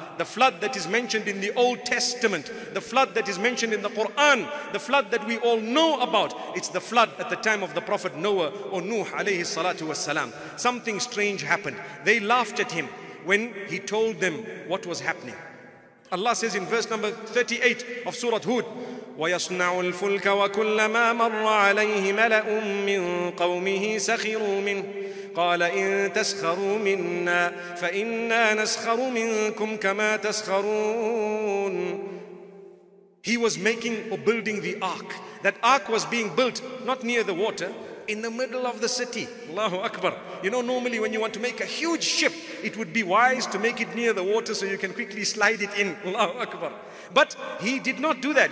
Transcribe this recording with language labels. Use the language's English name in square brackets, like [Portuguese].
[English] The flood that is mentioned in the Old Testament, the flood that is mentioned in the Quran, the flood that we all know about. It's the flood at the time of the Prophet Noah or Nuh alayhi salatu was salam. Something strange happened. They laughed at him when he told them what was happening. Allah says in verse number 38 of Surah Hud, [Arabic] ويصنع الفلك وكلما مر عليه ملأ من قومه سخروا منه قال إن تسخروا منا فإنا نسخر منكم كما تسخرون. [English] He was making or building the ark. That ark was being built not near the water, in the middle of the city. [Arabic] Allahu Akbar. [English] You know, normally when you want to make a huge ship, it would be wise to make it near the water so you can quickly slide it in. [Arabic] Allahu Akbar. [English] But he did not do that.